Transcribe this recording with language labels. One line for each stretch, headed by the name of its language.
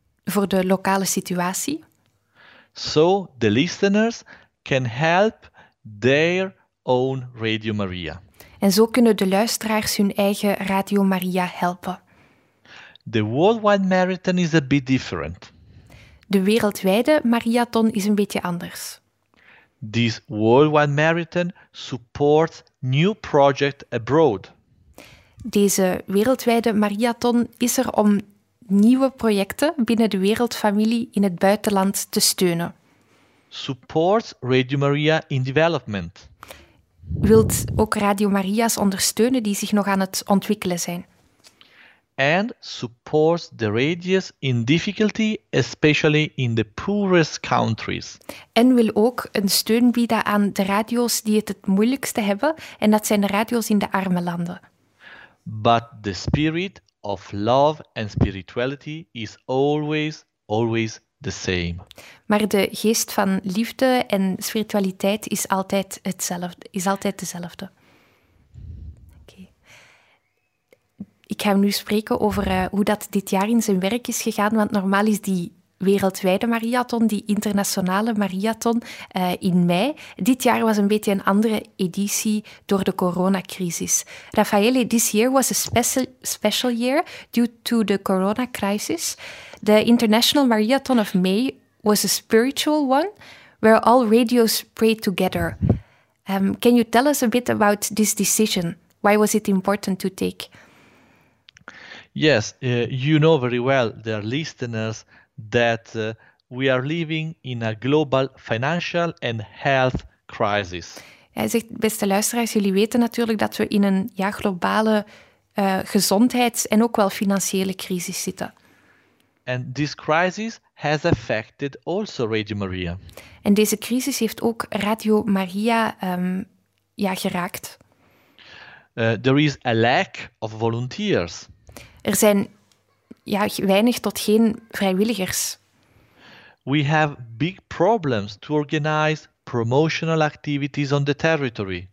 Dutch: Voor de lokale situatie.
English: So the listeners can help their own Radio Maria.
Dutch: En zo kunnen de luisteraars hun eigen Radio Maria helpen.
English: The worldwide marathon is a bit different.
Dutch: De wereldwijde marathon is een beetje anders.
English: This worldwide marathon supports new projects abroad.
Dutch: Deze wereldwijde marathon is er om nieuwe projecten binnen de wereldfamilie in het buitenland te steunen.
English: Supports Radio Maria in development.
Dutch: Wilt ook Radio Maria's ondersteunen die zich nog aan het ontwikkelen zijn.
English: And supports the radios in difficulty, especially in the poorest countries.
Dutch: En wil ook een steun bieden aan de radio's die het moeilijkste hebben, en dat zijn de radio's in de arme landen.
English: But the spirit of love and spirituality is always, always the same.
Dutch: Maar de geest van liefde en spiritualiteit is altijd hetzelfde, is altijd dezelfde. Ik ga nu spreken over hoe dat dit jaar in zijn werk is gegaan, want normaal is die wereldwijde marathon, die internationale marathon, in mei. Dit jaar was een beetje een andere editie door de coronacrisis.
English: Raffaele, this year was a special year due to the corona crisis. The International Marathon of May was a spiritual one, where all radios prayed together. Can you tell us a bit about this decision? Why was it important to take? Yes, you know very well, dear listeners, that we are living in a global financial and health crisis.
Dutch: Hij zegt, beste luisteraars, jullie weten natuurlijk dat we in een globale gezondheids- en ook wel financiële crisis zitten.
English: And this crisis has affected also Radio Maria.
Dutch: En deze crisis heeft ook Radio Maria geraakt.
English: There is a lack of volunteers.
Dutch: Er zijn weinig tot geen vrijwilligers.
English: We have big problems to organize promotional activities on the territory.